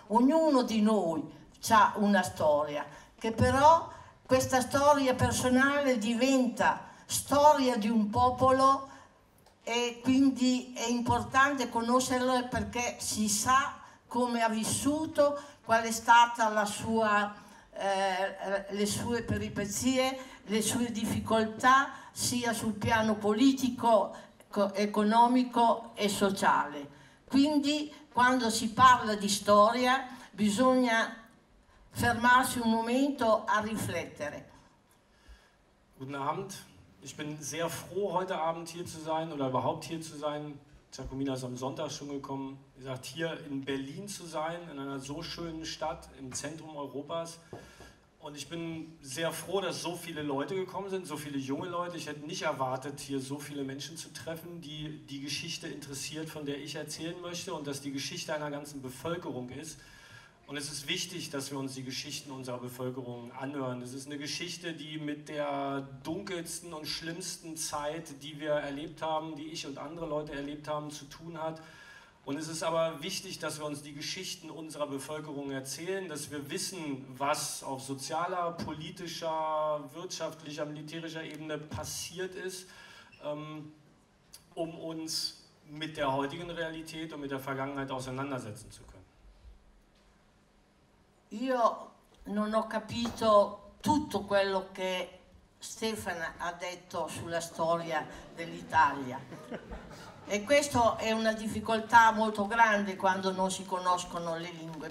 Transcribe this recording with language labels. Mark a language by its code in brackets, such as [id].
[it] Ognuno di noi ha una storia, che però questa storia personale diventa storia di un popolo e quindi è importante conoscerlo perché si sa come ha vissuto, qual è stata le sue peripezie, le sue difficoltà sia sul piano politico, economico e sociale. Quindi quando si parla di storia bisogna fermarsi un momento a riflettere. [de] Guten Abend, ich bin sehr froh, heute Abend hier zu sein oder überhaupt hier zu sein. Giacomina ist am Sonntag schon gekommen. Wie gesagt, hier in Berlin zu sein, in einer so schönen Stadt im Zentrum Europas. Und ich bin sehr froh, dass so viele Leute gekommen sind, so viele junge Leute. Ich hätte nicht erwartet, hier so viele Menschen zu treffen, die die Geschichte interessiert, von der ich erzählen möchte und dass die Geschichte einer ganzen Bevölkerung ist. Und es ist wichtig, dass wir uns die Geschichten unserer Bevölkerung anhören. Es ist eine Geschichte, die mit der dunkelsten und schlimmsten Zeit, die wir erlebt haben, die ich und andere Leute erlebt haben, zu tun hat. Und es ist aber wichtig, dass wir uns die Geschichten unserer Bevölkerung erzählen, dass wir wissen, was auf sozialer, politischer, wirtschaftlicher, militärischer Ebene passiert ist, um uns mit der heutigen Realität und mit der Vergangenheit auseinandersetzen zu können. [it] Io non ho capito tutto quello che Stefano ha detto sulla storia dell'Italia. E questa è una difficoltà molto grande quando non si conoscono le lingue.